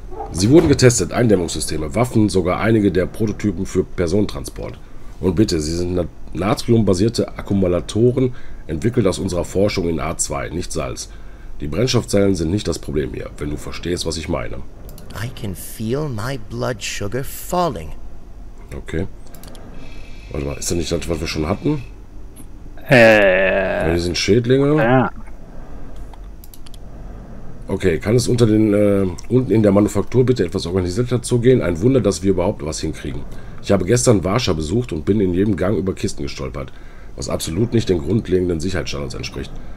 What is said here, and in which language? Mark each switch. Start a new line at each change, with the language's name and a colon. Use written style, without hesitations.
German: Sie wurden getestet, Eindämmungssysteme, Waffen, sogar einige der Prototypen für Personentransport. Und bitte, sie sind natriumbasierte Akkumulatoren, entwickelt aus unserer Forschung in A2, nicht Salz. Die Brennstoffzellen sind nicht das Problem hier, wenn du verstehst, was ich meine.
English: I can feel my blood sugar falling. Okay.
German: Warte mal, ist das nicht das, was wir schon hatten? Hey, wir sind Schädlinge. Ja. Okay, kann es unter den unten in der Manufaktur bitte etwas organisierter zugehen? Ein Wunder, dass wir überhaupt was hinkriegen. Ich habe gestern Warscha besucht und bin in jedem Gang über Kisten gestolpert, was absolut nicht den grundlegenden Sicherheitsstandards entspricht.